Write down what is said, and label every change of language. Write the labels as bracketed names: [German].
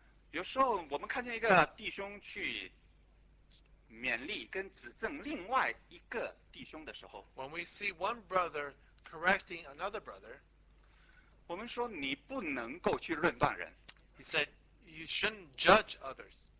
[Chinese] 有时候我们看见一个弟兄去勉励跟指正另外一个弟兄的时候， [English] When we see one brother correcting another brother, [Chinese] 我们说你不能够去论断人。 [English] He said, you shouldn't judge others.